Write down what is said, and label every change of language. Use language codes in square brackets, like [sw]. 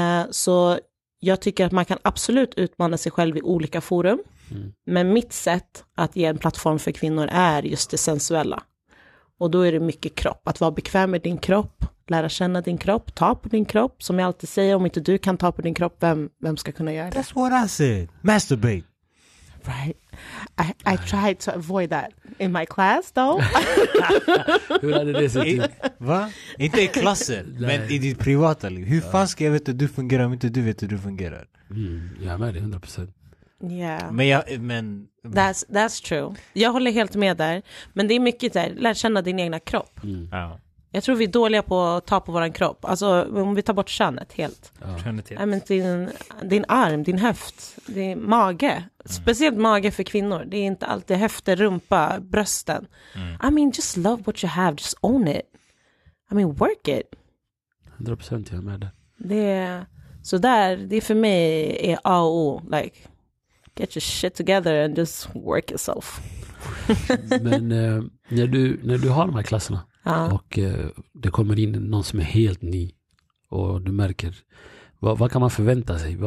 [sv] Så jag tycker att man kan absolut utmana sig själv i olika forum. Mm. Men mitt sätt att ge en plattform för kvinnor är just det sensuella. Och då är det mycket kropp. Att vara bekväm med din kropp. Lära känna din kropp. Ta på din kropp. Som jag alltid säger, om inte du kan ta på din kropp, vem ska kunna göra det? [en] That's what I said. Masturbate. Right. I tried to avoid that in my class though. [sv] Hur hade det sett ut? Va? Inte i klassen, men i ditt privata liv. Hur fan ska jag veta att du fungerar om inte du vet att du fungerar? Mm, jag är med dig 100%. [en] Yeah. [sv] Men [en] that's true. [sv] Jag håller helt med där. Men det är mycket där, lär känna din egna kropp. Jag tror vi är dåliga på att ta på våran kropp. Alltså om vi tar bort könet helt. Könet. [en] I mean, [sv] din arm, din höft, din mage. Speciellt mage för kvinnor. Det är inte alltid höfter, rumpa, brösten. [en] I mean, just love what you have, just own it. I mean, work it. [sv] 100% jag med det. Det är, så där, det för mig är A och O, [en] like get your shit together and just work yourself. [sv] Men när du har de här klasserna och det kommer in någon som är helt ny och du märker, vad kan man förvänta sig?